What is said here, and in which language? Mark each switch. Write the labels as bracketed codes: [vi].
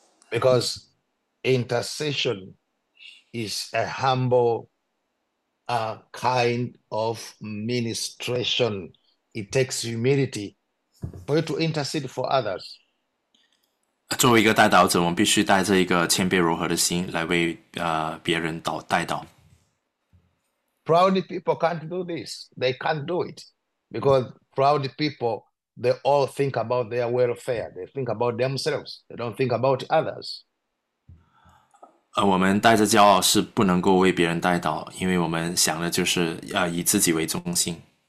[en] Because intercession is a humble, kind of ministration. It takes humility for you to intercede for others. [zh] 作为一个代祷者，我们必须带着一个谦卑柔和的心来为别人代祷。 [en] Proud people can't do this. They can't do it because proud people, they all think about their welfare. They think about themselves. They don't think about others. [zh] 我们带着骄傲是不能够为别人代祷，因为我们想的就是以自己为中心。